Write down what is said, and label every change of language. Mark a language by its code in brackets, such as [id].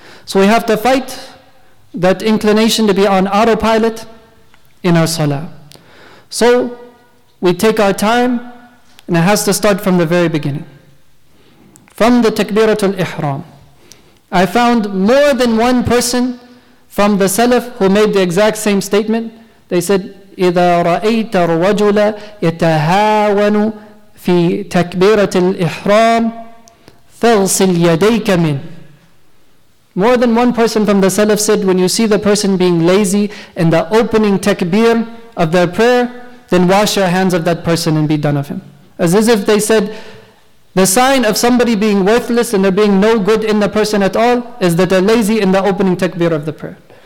[en] So we have to fight that inclination to be on autopilot in our salah. So we take our time, and it has to start from the very beginning, from the takbiratul ihram. I found more than one person from the salaf who made the exact same statement. [ar] They said, إِذَا رَأَيْتَ الرَّجُلَ يَتَهَاوَنُ فِي تَكْبِيرَةِ الْإِحْرَامِ فَغْسِلْ يَدَيْكَ مِنْ. [en] More than one person from the Salaf said, when you see the person being lazy in the opening takbir of their prayer, then wash your hands of that person and be done of him. As if they said, the sign of somebody being worthless and there being no good in the person at all is that they're lazy in the opening takbir of the prayer.